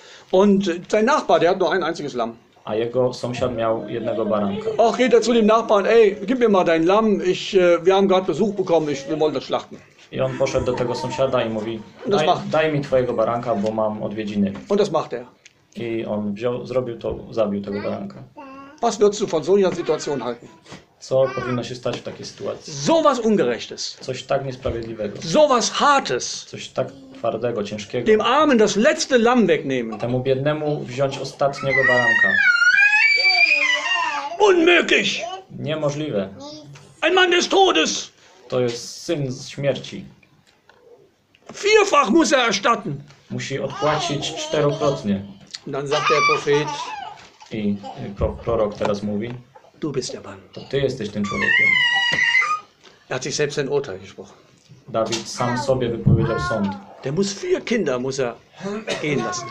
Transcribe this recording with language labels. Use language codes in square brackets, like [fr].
[de] Und sein Nachbar, der hat nur ein einziges Lamm. [pl] A jego sąsiad miał jednego baranka. [de] Och, geht er zu dem Nachbarn, ey, gib mir mal dein Lamm. Wir haben gerade Besuch bekommen, wir wollen das schlachten. [pl] I on poszedł do tego sąsiada i mówi, daj mi twojego baranka, bo mam odwiedziny. [de] Und das macht er. [pl] I on wziął, zrobił to, zabił tego baranka. [de] Was würdest du von so einer Situation halten? [pl] Co powinno się stać w takiej sytuacji? [de] So was ungerechtes. [pl] Coś tak niesprawiedliwego. [de] So was hartes. [pl] Coś tak twardego, ciężkiego. [de] Dem armen das letzte Lamm wegnehmen. [pl] Temu biednemu wziąć ostatniego baranka. [de] Unmöglich. [pl] Niemożliwe. [de] Ein Mann des Todes. [pl] To jest syn z śmierci. [de] Vierfach muss er erstatten. [pl] Musi odpłacić czterokrotnie. [de] Dann sagt der Prophet. [pl] I prorok teraz mówi. [de] Du bist der Mann. [pl] To ty jesteś tym człowiekiem. [de] Er hat sich selbst ein Urteil gesprochen. [pl] David sam sobie wypowiedział sąd. [de] Der muss vier Kinder muss er gehen lassen.